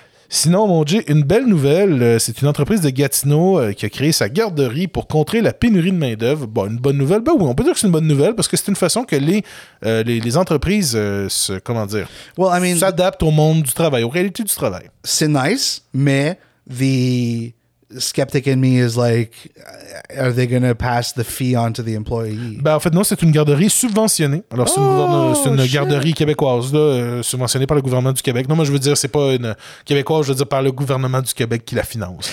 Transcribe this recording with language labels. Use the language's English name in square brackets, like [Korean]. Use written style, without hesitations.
[French] Sinon, mon Dieu, une belle nouvelle, c'est une entreprise de Gatineau qui a créé sa garderie pour contrer la pénurie de main-d'œuvre. Bon, une bonne nouvelle, ben oui, on peut dire que c'est une bonne nouvelle parce que c'est une façon que les entreprises s'adaptent au monde du travail, aux réalités du travail. C'est nice, mais [English] the skeptic in me is like, are they going to pass the fee on to the employee? [French] Ben, en fait, non, c'est une garderie subventionnée. Alors, garderie québécoise, là, subventionnée par le gouvernement du Québec. Non, moi, je veux dire, c'est pas une québécoise, je veux dire par le gouvernement du Québec qui la finance.